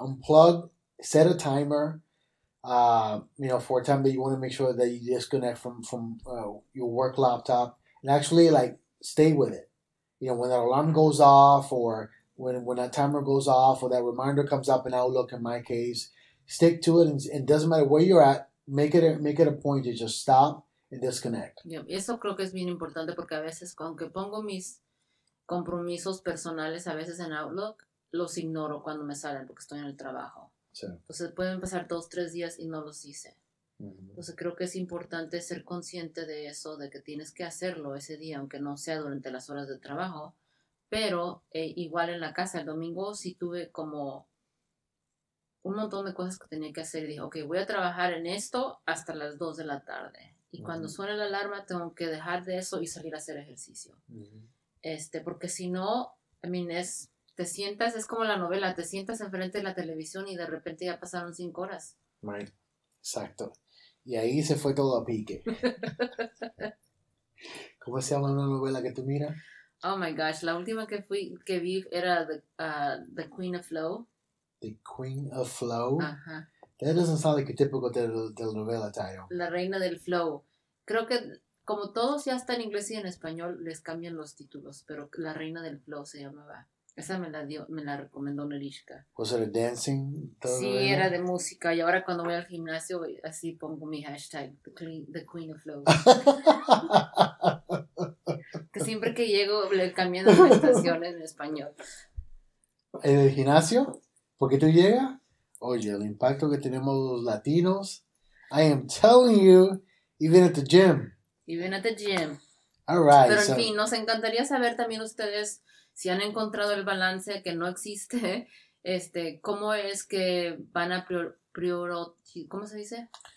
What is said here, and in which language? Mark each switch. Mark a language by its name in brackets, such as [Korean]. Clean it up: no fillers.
[English] Unplug, set a timer. You know, for a time that you want to make sure that you disconnect from your work laptop and actually like stay with it. You know, when that alarm goes off or when that timer goes off or that reminder comes up in Outlook, in my case, stick to it. And doesn't matter where you're at, make it a point to just stop and disconnect. [Spanish] Yeah, eso creo que es bien importante porque a veces aunque pongo mis compromisos personales a veces en Outlook, los ignoro cuando me salen porque estoy en el trabajo. Sí. Entonces pueden pasar 2-3 días y no los hice. Entonces creo que es importante ser consciente de eso, de que tienes que hacerlo ese día, aunque no sea durante las horas de trabajo. Pero igual en la casa, el domingo sí tuve como un montón de cosas que tenía que hacer. Y dije, ok, voy a trabajar en esto hasta las 2 de la tarde. Y cuando suene la alarma, tengo que dejar de eso y salir a hacer ejercicio. Porque si no, [English] I mean, [Spanish] es, te sientas, es como la novela, te sientas enfrente de la televisión y de repente ya pasaron 5 horas. [English] Right, [Spanish] exacto. Y ahí se fue todo a pique. ¿Cómo se llama una novela que tú miras? [English] Oh my gosh, [Spanish] la última que fui, que vi era The Queen of Flow. [English] The Queen of Flow? That doesn't sound like a typical telenovela title. [Spanish] La Reina del Flow. Creo que, como todos ya está en inglés y en español, les cambian los títulos, pero La Reina del Flow se llamaba. Esa me la dio, me la recomendó Nerishka. [English] ¿Was it a dancing? [Spanish] Sí, era de música. Y ahora cuando voy al gimnasio, así pongo mi hashtag, The Queen of Flow. Que siempre que llego, le cambian la estación en español. ¿En el gimnasio? ¿Por qué tú llegas? Oye, el impacto que tenemos los latinos. [English] I am telling you, even at the gym. Even at the gym. All right. [Spanish] Pero en fin, nos encantaría saber también ustedes si han encontrado el balance que no existe. ¿Cómo es que van a ¿cómo se dice?